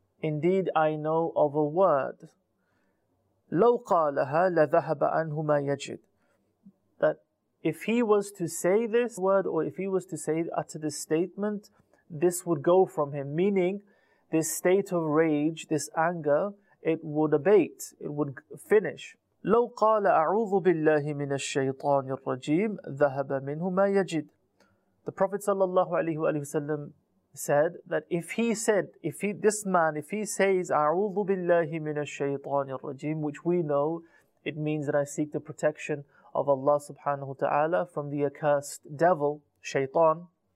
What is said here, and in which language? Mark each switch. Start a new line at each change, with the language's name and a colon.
English: Indeed, I know of a word.
Arabic: لو قالها لذهب عنه ما يجد.
English: That if he was to say this word, or if he was to say utter this statement, this would go from him. Meaning, this state of rage, this anger, it would abate, it would finish.
Arabic: لو قال أعوذ بالله من الشيطان الرجيم ذهب منه ما يجد.
English: The Prophet sallallahu alaihi wasallam said that if he said, if he says
Arabic: أعوذ بالله من الشيطان الرجيم,
English: which we know, it means that I seek the protection of Allah subhanahu wa ta'ala from the accursed devil, shaytan.